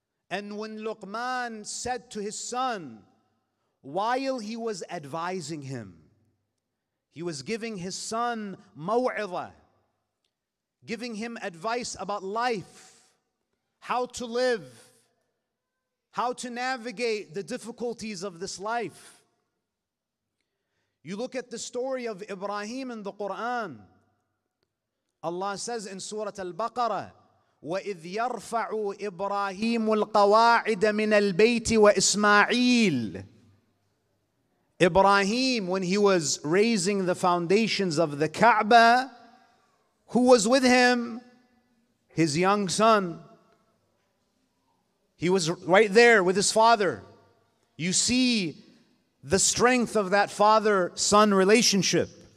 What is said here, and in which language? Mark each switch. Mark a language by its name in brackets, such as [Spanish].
[English] And when Luqman said to his son, while he was advising him, he was giving his son maw'idah, giving him advice about life, how to live, how to navigate the difficulties of this life. You look at the story of Ibrahim in the Quran. Allah says in Surah Al-Baqarah, [Arabic] وَإِذْ يَرْفَعُ إِبْرَاهِيمُ الْقَوَاعِدَ مِنَ الْبَيْتِ وَإِسْمَاعِيلِ. [English] Ibrahim, when he was raising the foundations of the Kaaba, who was with him? His young son. He was right there with his father. You see the strength of that father-son relationship.